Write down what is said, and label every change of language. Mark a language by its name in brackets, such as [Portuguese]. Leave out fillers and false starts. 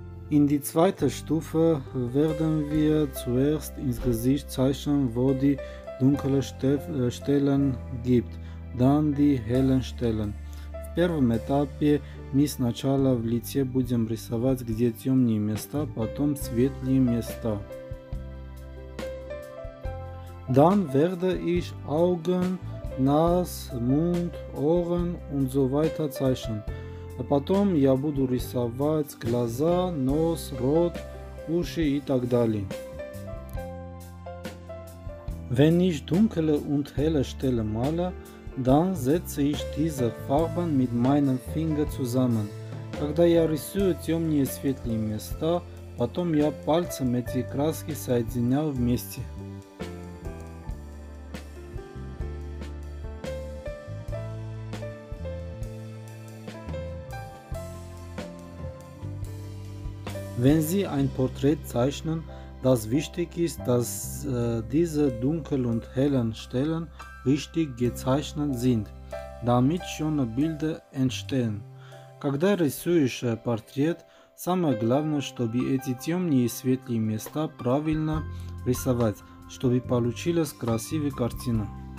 [German] In die zweite Stufe werden wir zuerst ins Gesicht zeichnen, wo die dunkle Stellen gibt, dann die hellen Stellen. [Russian] В первом этапе мы сначала в лице будем рисовать, где темные места, потом светлые места. [German] Dann werde ich Augen, Nas, Mund, Ohren und so weiter zeichnen. [Russian] Потом я буду рисовать глаза, нос, рот, уши и так далее. [German] Wenn ich dunkle und helle Stellen male, dann setze ich diese Farben mit meinem Finger zusammen. [Russian] Когда я рисую темные и светлые места, потом я пальцем эти краски соединял вместе. [German] Wenn Sie ein Porträt zeichnen, das wichtig ist, dass diese dunklen und hellen Stellen richtig gezeichnet sind, damit schöne Bilder entstehen. [Russian] Когда рисуешь портрет, самое главное, чтобы эти темные и светлые места правильно рисовать, чтобы получилась красивая картина.